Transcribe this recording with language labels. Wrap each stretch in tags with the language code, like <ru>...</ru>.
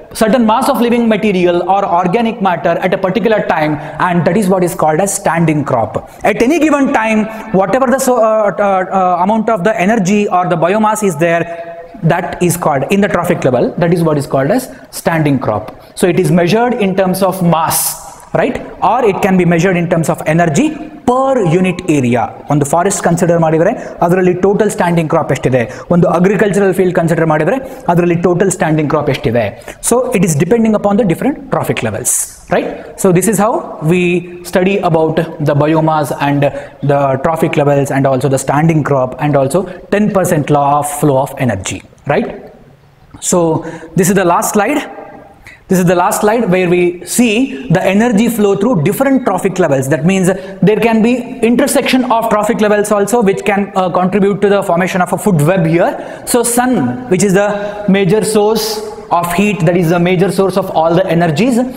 <en>Certain mass of living material or organic matter at a particular time, and that is what is called a standing crop. At any given time whatever the amount of the energy or the biomass is there, that is called in the trophic level, that is what is called as standing crop. So it is measured in terms of mass, right? Or it can be measured in terms of energy per unit area.</en> <kn>ಒಂದು forest consider ಮಾಡಿದರೆ ಅದರಲ್ಲಿ total standing crop ಎಷ್ಟಿದೆ, ಒಂದು agricultural field consider ಮಾಡಿದರೆ ಅದರಲ್ಲಿ total standing crop ಎಷ್ಟಿದೆ.</kn> <en>So it is depending upon the different trophic levels, right? So this is how we study about the biomass and the trophic levels and also the standing crop and also 10% law of flow of energy, right? So this is the last slide. This is the last slide where we see the energy flow through different trophic levels. That means there can be intersection of trophic levels also, which can contribute to the formation of a food web here. So sun, which is the major source of heat, that is the major source of all the energies.</en>